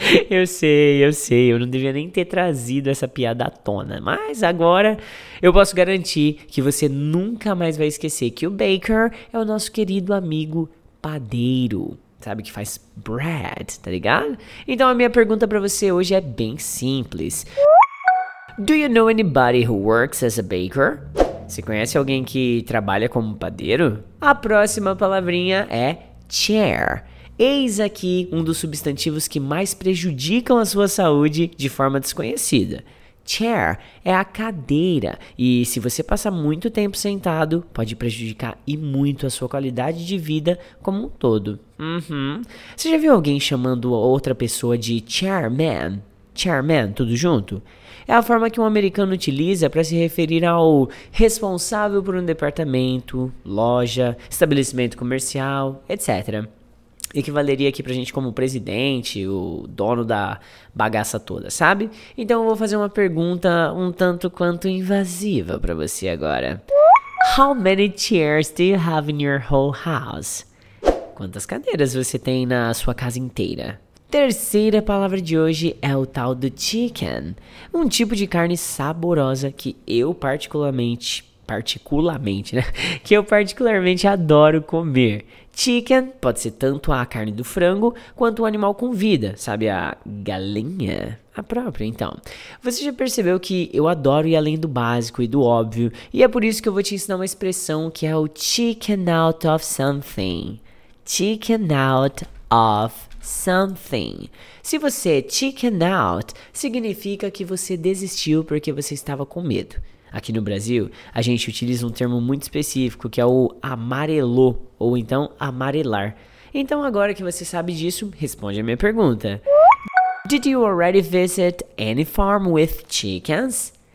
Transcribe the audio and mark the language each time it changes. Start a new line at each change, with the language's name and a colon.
Portuguese: Eu sei, eu não devia nem ter trazido essa piada à tona. Mas agora eu posso garantir que você nunca mais vai esquecer que o baker é o nosso querido amigo padeiro. Sabe que faz bread, tá ligado? Então a minha pergunta pra você hoje é bem simples.
English: Do you know anybody who works as a baker?
Portuguese: Você conhece alguém que trabalha como padeiro? A próxima palavrinha é chair. Eis aqui um dos substantivos que mais prejudicam a sua saúde de forma desconhecida. Chair é a cadeira. E se você passar muito tempo sentado, pode prejudicar e muito a sua qualidade de vida como um todo. Uhum. Você já viu alguém chamando outra pessoa de chairman? Chairman, tudo junto? É a forma que um americano utiliza para se referir ao responsável por um departamento, loja, estabelecimento comercial, etc. Equivaleria aqui pra gente como presidente, o dono da bagaça toda, sabe? Então eu vou fazer uma pergunta um tanto quanto invasiva pra você agora.
English: How many chairs do you have in your whole house?
Portuguese: Quantas cadeiras você tem na sua casa inteira? Terceira palavra de hoje é o tal do chicken. Um tipo de carne saborosa que eu particularmente adoro comer. Chicken pode ser tanto a carne do frango quanto o animal com vida, sabe, a galinha? A própria, então. Você já percebeu que eu adoro ir além do básico e do óbvio, e é por isso que eu vou te ensinar uma expressão que é o
English: chicken out of something. Chicken out of something.
Portuguese: Se você
English: chicken out,
Portuguese: significa que você desistiu porque você estava com medo. Aqui no Brasil, a gente utiliza um termo muito específico, que é o amarelou, ou então amarelar. Então, agora que você sabe disso, responde a minha pergunta.
English: Did you already visit any farm with chickens?